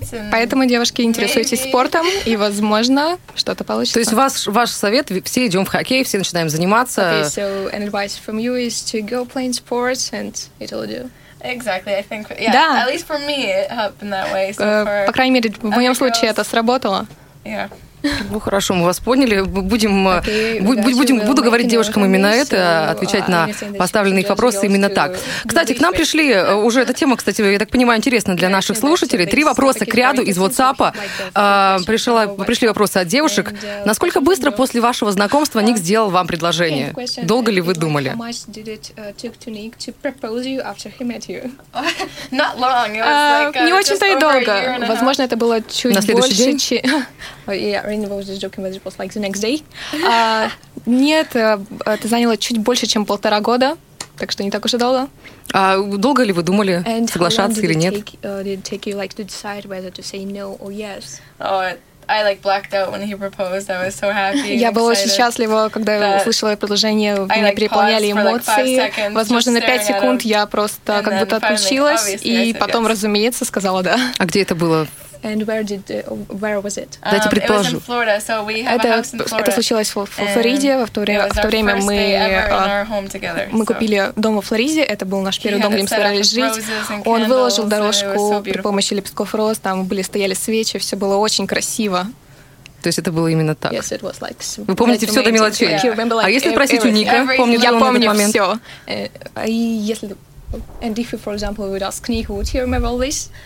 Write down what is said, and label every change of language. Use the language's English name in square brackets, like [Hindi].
[Russian] Поэтому, девушки, интересуйтесь спортом, и, возможно, что-то получится. То есть ваш совет – все идем в хоккей, все начинаем заниматься. [English] An advice from you is to go play in sports, and it'll do. Exactly, I think. Yeah, [Russian] да. [English] At least for me, it happened that way. So [Russian] по крайней мере, в моем случае это сработало. [English] Yeah. [Russian] Ну хорошо, мы вас поняли. Буду говорить девушкам именно это, отвечать на поставленные вопросы именно так. Кстати, к нам пришли уже эта тема, кстати, я так понимаю, интересна для наших слушателей. Три вопроса к ряду из WhatsApp. Пришли вопросы от девушек. Насколько быстро после вашего знакомства Ник сделал вам предложение? Долго ли вы думали? Не очень-то и долго. Возможно, это было чуть больше. На следующий день? [English] Yeah, Rina was just joking, but it was like the next day. [Russian] Нет, это заняло чуть больше, чем полтора года, так что не так уж и долго. А долго ли вы думали соглашаться или нет? [English] Did it take you like to decide whether to say no or yes? I like blacked out when he proposed. I was so happy. [Russian] Я была очень счастлива, когда услышала предложение, меня переполняли эмоции. Возможно, на 5 секунд я просто как будто отключилась, и потом, разумеется, сказала да. А где это было? [English] And where was it? [Russian] Дайте предположу. Это случилось в Флориде. В то время мы купили дом во Флориде. Это был наш первый дом, где мы собирались жить. Он выложил дорожку при помощи лепестков роз. Там стояли свечи. Все было очень красиво. То есть это было именно так. [English] Yes, it was like, [Russian] вы помните [English] like [Russian] все до мелочей. [English] Yeah. Remember, like, [Russian] а если спросить у Ника, помнит ли он этот момент? Я помню все. [English] And if you, for example, would ask Nick, would he remember all this?